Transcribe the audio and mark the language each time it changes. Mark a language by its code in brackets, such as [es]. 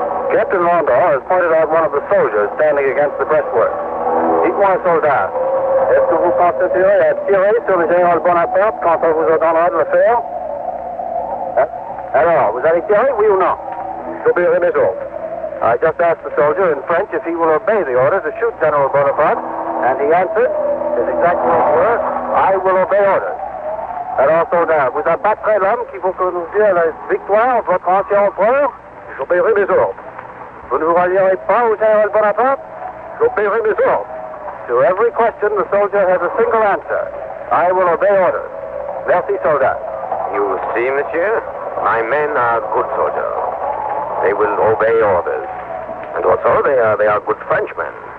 [en] Captain Rondeau has pointed out one of the soldiers standing against the breastwork. [fr] Dites-moi, soldat. Est-ce que vous consentirez à tirer sur le général Bonaparte quand on vous donnera de le faire? Alors, vous allez tirer, oui ou non? J'obéirai mes ordres. [en] I just asked the soldier in French if he will obey the order to shoot General Bonaparte, and he answered, his exact words were, I will obey orders. [fr] Alors, soldat, vous abattrez l'homme qui veut que nous dire la victoire de votre ancien empereur? J'obéirai mes ordres. Vous ne vous rallierez pas au général Bonaparte? J'obéirai mes ordres. [en] To every question, the soldier has a single answer. I will obey orders. [fr] Merci, soldat. [en] You see, monsieur, my men are good soldiers. They will obey orders. And also, they are good Frenchmen.